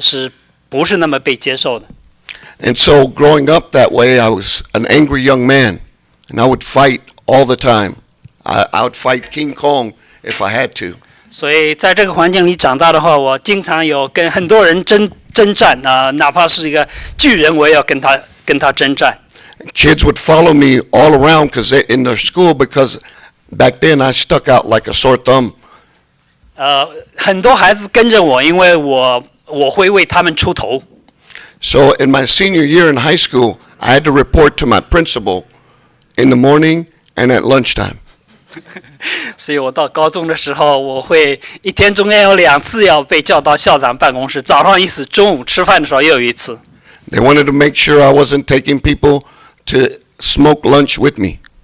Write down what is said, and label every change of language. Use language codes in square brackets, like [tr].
[zh] 在60年代的时候，如果你是生在一个非常贫穷的家庭，或者出生于一个这个非正当的那个关系中间的一个孩子，这个当时是不是那么被接受的。 [en] And so growing up that way, I was an angry young man, and I would fight all the time. I would fight King Kong if I had to. [zh] 所以在这个环境里长大的话，我经常有跟很多人争战，哪怕是一个巨人，我也要跟他征战。 [en] Kids would follow me all around because in their school, because back then I stuck out like a sore thumb. [zh] 很多孩子跟着我，因为我会为他们出头。 [en] So in my senior year in high school, I had to report to my principal in the morning and at lunchtime. [zh] 所以我到高中的时候，我会一天中间有两次要被叫到校长办公室，早上一次，中午吃饭的时候又一次。 [en] They wanted to make sure I wasn't taking people to smoke lunch with me.